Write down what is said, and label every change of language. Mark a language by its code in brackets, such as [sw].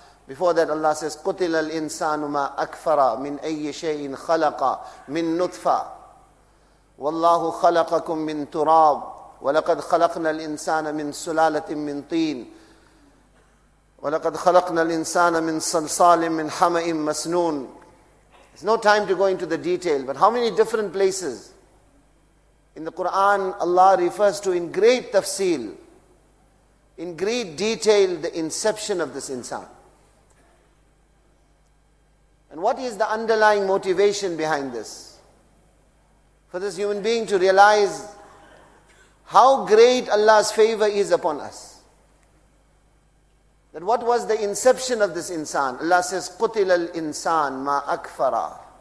[en] Before that Allah says, [ar] قتل الإنسان ما أكفر من أي شيء خلق من نطفة والله خلقكم من تراب ولقد خلقنا الإنسان من سلالة من طين ولقد خلقنا الإنسان من صلصال من حمأ مسنون. [en] It's no time to go into the detail, but how many different places in the Quran Allah refers to in great tafsil, in great detail, the inception of this insan. And what is the underlying motivation behind this? For this human being to realize how great Allah's favor is upon us. That what was the inception of this insan? Allah says, [ar] قتل الإنسان ما أكفر.